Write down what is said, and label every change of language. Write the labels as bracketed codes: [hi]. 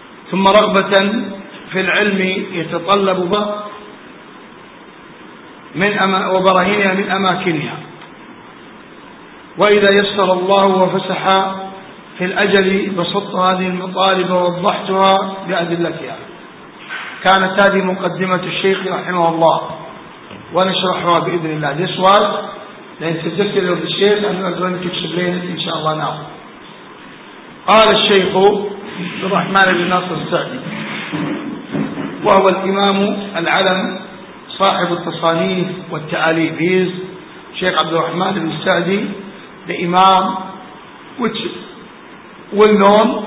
[ar] ثم رغبة في العلم يتطلب به وبراهينها من أماكنها، وإذا يسر الله وفسح في الأجل بسط هذه المطالب ووضحتها بأدلتها. كانت هذه مقدمة الشيخ رحمه الله، ونشرحها بإذن الله. [en] This was the introduction of the Sheikh and we are going to explain it [ar] إن شاء الله [en] now. [ar] قال الشيخ الرحمن بن ناصر السعدي، وهو الإمام العلم صاحب التصانيف والتأليف، شيخ عبد الرحمن بن السعدي [en] the Imam, which well known